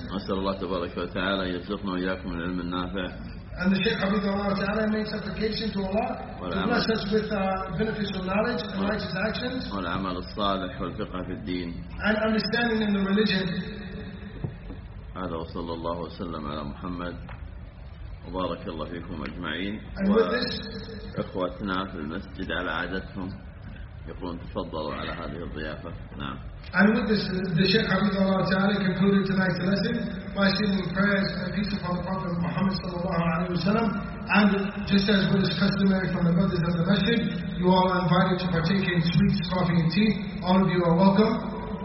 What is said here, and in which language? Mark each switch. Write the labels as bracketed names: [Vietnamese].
[Arabic] أسأل الله تبارك وتعالى يرزقنا وإياكم العلم النافع. [English] And the Shaykh Hafizullah Ta'ala made supplication to Allah to bless us with beneficial knowledge and righteous actions. [Arabic] والعمل الصالح والفقه في الدين. [English] And understanding in the religion. [Arabic] هذا وصلى الله وسلم على محمد وبارك الله فيكم أجمعين وإخوتنا في المسجد على عادتهم يقولون تفضلوا على هذه الضيافة نعم. [English] And with this, the Shaykh Hafizullah Ta'ala concluded tonight's lesson by sending prayers and peace upon the Prophet Muhammad sallallahu alayhi wa sallam. And just as what is customary from the brothers of the masjid, you all are invited to partake in sweets, coffee and tea. All of you are welcome.